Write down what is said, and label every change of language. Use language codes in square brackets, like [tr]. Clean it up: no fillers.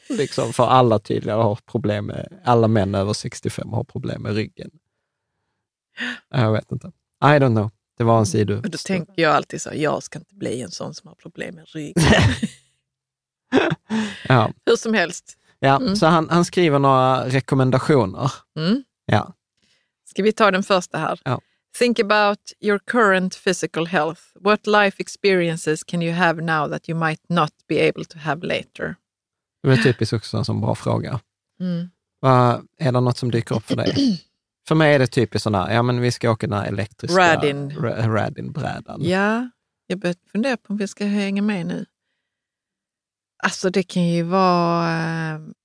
[sv] Liksom, för alla tydligare har problem med, alla män över 65 har problem med ryggen. Jag vet inte. [en] I don't know. [sv] Det var en sidu. Och då tänker jag alltid så, jag ska inte bli en sån som har problem med ryggen. Ja. Hur som helst. Ja, så han skriver några rekommendationer. Ja. Ska vi ta den första här? Ja. [en] Think about your current physical health. What life experiences can you have now that you might not be able to have later? [sv] Det är typiskt också en sån bra fråga. Är det något som dyker upp för dig? För mig är det typiskt sådana här, ja men vi ska åka den här elektriska Radin-brädan. Ja, jag började fundera på om vi ska hänga med nu. Alltså det kan ju vara...